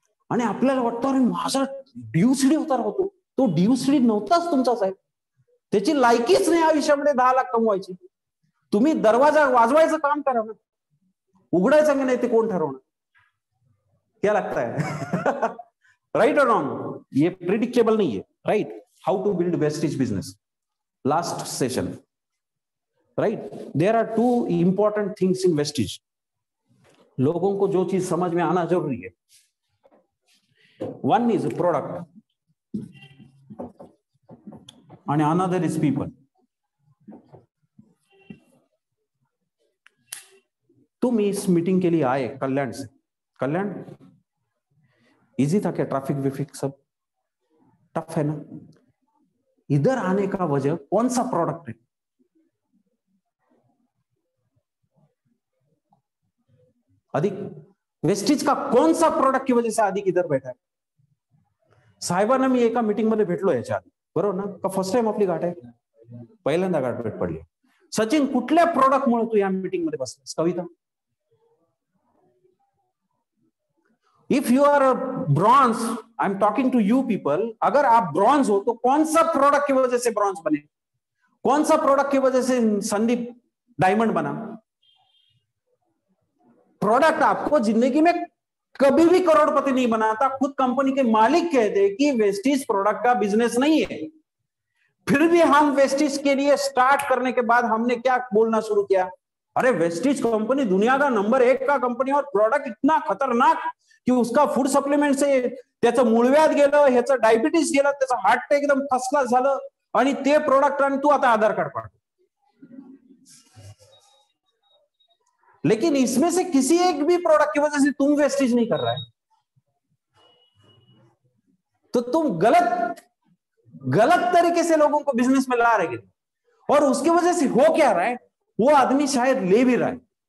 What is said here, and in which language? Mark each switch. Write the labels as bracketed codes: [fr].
[mr] आणि आपल्याला वाटतं अरे माझा ड्यूसडी होता राहतो, तो ड्यूसडी नव्हताच तुमचा साहेब, त्याची लायकीच नाही आयुष्यामध्ये 10 लाख कमवायची. तुम्ही दरवाजा वाजवायचं काम करा ना, उघडायचं की नाही ते कोण ठरवणार, [hi] क्या लगता है? राइट और रॉन्ग, ये प्रिडिक्टेबल नहीं है. Right, [en] how to build wastage business, [hi] last session. [en] Right, there are two important things in wastage. [hi] लोगों को जो चीज समझ में आना जरूरी है, [en] One is product and another is people. [hi] तुम इस मीटिंग के लिए आए कल्याण से, कल्याण इजी था क्या? ट्रैफिक विफिक सब टफ है ना? इधर आने का वजह कौन सा प्रोडक्ट है? अधिक वेस्टेज का कौन सा प्रोडक्ट की वजह से अधिक इधर बैठा है? [mr] साहेबाना मी एका मीटिंग मध्ये भेटलो याच्या आधी, बरोबर ना, का फर्स्ट टाइम आपली गाठ आहे, पहिल्यांदा गाठ भेट पडली. सचिन कुठल्या प्रोडक्ट मुळे तू या मीटिंग मध्ये बसलास? [hi] कविता, [en] If you are a bronze, I'm talking to you people, [hi] अगर आप ब्रॉन्ज हो तो कौन सा प्रोडक्ट की वजह से ब्रॉन्ज बने? कौन सा प्रोडक्ट की वजह से संदीप डायमंड बना? प्रोडक्ट आपको जिंदगी में कभी भी करोड़पति नहीं बनाता. खुद कंपनी के मालिक कहते कि वेस्टिज प्रोडक्ट का बिजनेस नहीं है, फिर भी हम वेस्टिज के लिए स्टार्ट करने के बाद हमने क्या बोलना शुरू किया? अरे वेस्टिज कंपनी दुनिया का नंबर एक का कंपनी और प्रोडक्ट इतना खतरनाक कि उसका फूड सप्लिमेंट से [mr] त्याचं मूळव्याध गेलं, ह्याचं डायबिटीज गेलं, त्याचं हार्ट अटॅक एकदम फर्स्ट क्लास झालं, आणि ते प्रोडक्ट आणि तू आता आधार कार्ड पाठव. [hi] लेकिन इसमें से किसी एक भी प्रोडक्ट की वजह से तुम वेस्टेज नहीं कर रहा है, तो तुम गलत गलत तरीके से लोगों को बिजनेस में ला रहे. और उसकी वजह से हो क्या रहा है, वो आदमी शायद ले भी रहा है.